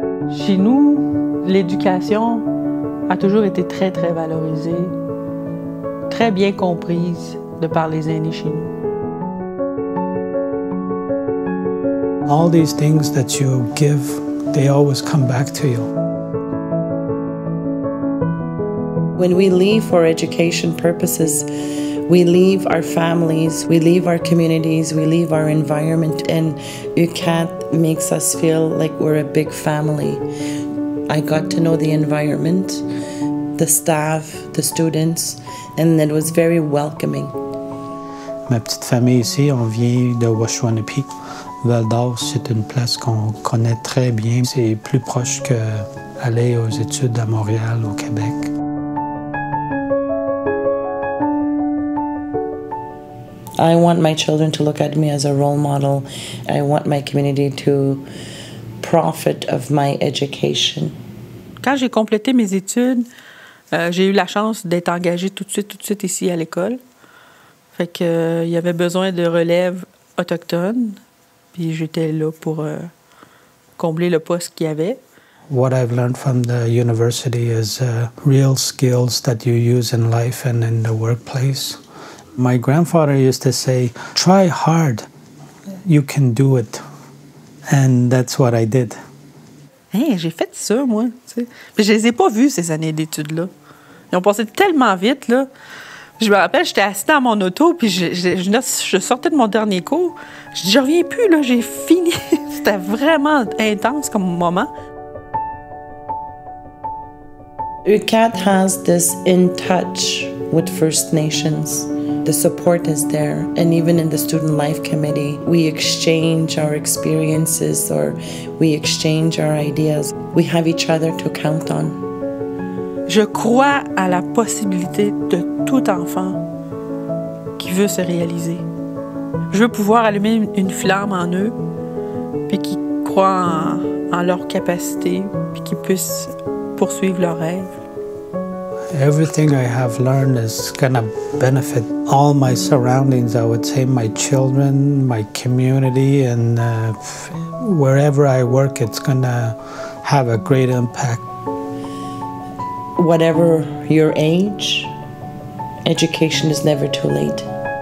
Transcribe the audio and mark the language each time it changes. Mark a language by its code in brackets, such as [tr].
[fr] Chez nous, l'éducation a toujours été très, très valorisée, très bien comprise de par les aînés chez nous. [en] All these things that you give, they always come back to you. When we leave for education purposes, we leave our families, we leave our communities, we leave our environment, and UQAT makes us feel like we're a big family. I got to know the environment, the staff, the students, and it was very welcoming. [fr] Ma petite famille ici, on vient de Washwanipi. Val d'Or, c'est une place qu'on connaît très bien. C'est plus proche qu'aller aux études à Montréal, au Québec. [en] I want my children to look at me as a role model. I want my community to profit of my education. [fr] Quand j'ai complété mes études, j'ai eu la chance d'être engagée tout de suite ici à l'école. Fait que il y avait besoin de relève autochtone, puis j'étais là pour combler le poste qu'il y avait. [en] What I've learned from the university is real skills that you use in life and in the workplace. My grandfather used to say, try hard, you can do it. And that's what I did. [fr] Hey, j'ai fait ça, moi. T'sais. Puis je les ai pas vus, ces années d'études-là. Ils ont passé tellement vite, là. Je me rappelle, j'étais assis dans mon auto, puis je sortais de mon dernier cours. Je reviens plus, là, j'ai fini. C'était vraiment intense comme moment. [en] UQAT has this in touch with First Nations. The support is there, and even in the Student Life Committee, we exchange our experiences or we exchange our ideas. We have each other to count on. [fr] Je crois à la possibilité de tout enfant qui veut se réaliser. Je veux pouvoir allumer une flamme en eux, puis qu'ils croient en leur capacité, puis qu'ils puissent poursuivre leurs rêves. [en] Everything I have learned is going to benefit all my surroundings, I would say, my children, my community, and wherever I work, it's going to have a great impact. Whatever your age, education is never too late.